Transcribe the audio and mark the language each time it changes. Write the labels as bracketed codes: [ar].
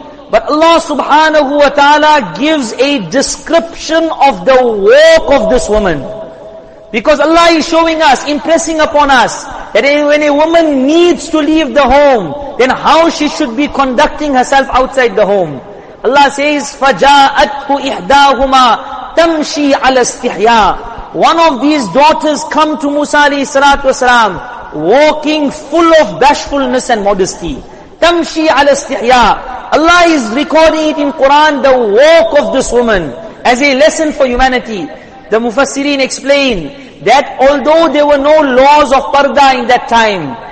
[en] But Allah subhanahu wa ta'ala gives a description of the walk of this woman. Because Allah is showing us, impressing upon us, that when a woman needs to leave the home, then how she should be conducting herself outside the home. Allah says, [ar] فَجَاءَتْهُ إِحْدَاهُمَا تَمْشِي عَلَى اسْتِحْيَا. [en] One of these daughters come to Musa alayhi salatu wasalam, walking full of bashfulness and modesty. [ar] تَمْشِي عَلَى اسْتِحْيَا. [en] Allah is recording it in Quran, the walk of this woman, as a lesson for humanity. The Mufassirin explain that although there were no laws of parda in that time,